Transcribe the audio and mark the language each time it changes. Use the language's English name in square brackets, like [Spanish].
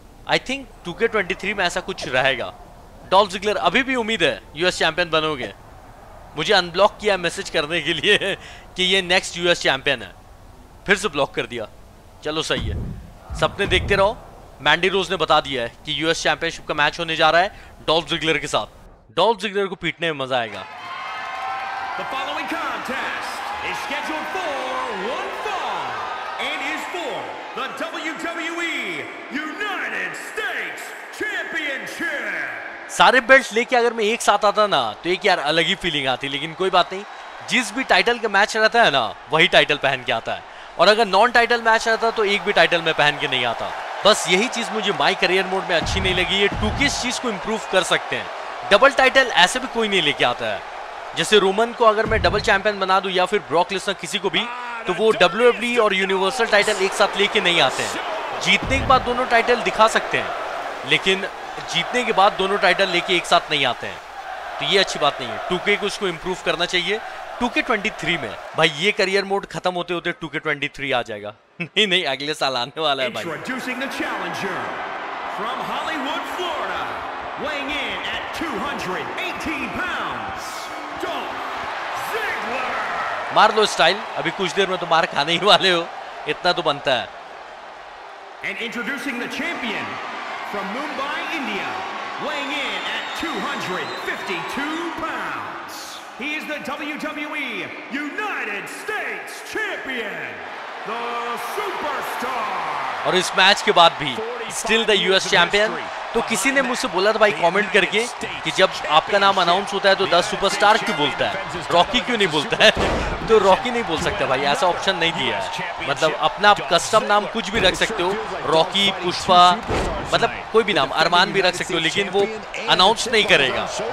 [English] I think [Hindi] 2K23 में ऐसा कुछ रहेगा। डॉल्फ ज़िगलर अभी भी उम्मीद है यूएस चैंपियन बनोगे, मुझे अनब्लॉक किया मैसेज करने के लिए कि ये नेक्स्ट यूएस चैंपियन है, फिर से ब्लॉक कर दिया। चलो सही है, सपने देखते रहो। मैंडी रोज ने बता दिया है कि यूएस चैंपियनशिप का मैच होने जा रहा है डॉल्फ ज़िगलर के साथ, डॉल्फ ज़िगलर को पीटने में मजा आएगा। [English] The following contest is scheduled for one fall and is for the WWE United States Championship. [Hindi] सारे बेल्ट लेके अगर मैं एक साथ आता ना तो एक यार अलग ही फीलिंग आती, लेकिन कोई बात नहीं, जिस भी टाइटल का मैच रहता है ना वही टाइटल पहन के आता है, और अगर नॉन टाइटल मैच रहता तो एक भी टाइटल में पहन के नहीं आता। बस यही चीज मुझे माई करियर मोड में अच्छी नहीं लगी, ये 2K इस चीज को इम्प्रूव कर सकते हैं। डबल टाइटल ऐसे भी कोई नहीं लेके आता है, जैसे रोमन को अगर मैं डबल चैंपियन बना दूं या फिर ब्रॉक लेसनर किसी को भी, तो वो WWE और यूनिवर्सल टाइटल एक साथ लेके नहीं आते हैं। जीतने के बाद दोनों टाइटल दिखा सकते हैं, लेकिन जीतने के बाद दोनों टाइटल लेके एक साथ नहीं आते हैं, तो ये अच्छी बात नहीं है। 2K को उसको इम्प्रूव करना चाहिए 2K23 में। भाई ये करियर मोड खत्म होते होते 2K23 आ जाएगा, नहीं नहीं अगले साल आने वाला है भाई। [English] Introducing the challenger from Hollywood, Florida, weighing in at 218 pounds, Dolph Ziggler. [Hindi] मार लो स्टाइल, अभी कुछ देर में तो मार खाने ही वाले हो, इतना तो बनता है। [English] And introducing the champion from Mumbai, India, weighing in at 252 pounds. He is the WWE United States Champion. [Hindi] और इस मैच के बाद भी [English] Still the US champion. [Hindi] तो किसी ने मुझसे बोला था भाई कमेंट करके कि जब आपका नाम अनाउंस होता है तो द सुपरस्टार क्यों बोलता है, रॉकी क्यों नहीं बोलता है? तो रॉकी नहीं बोल सकता भाई, ऐसा ऑप्शन नहीं दिया है। मतलब अपना कस्टम नाम कुछ भी रख सकते हो, रॉकी, पुष्पा, मतलब कोई भी नाम, अरमान भी रख सकते हो, लेकिन वो अनाउंस नहीं करेगा।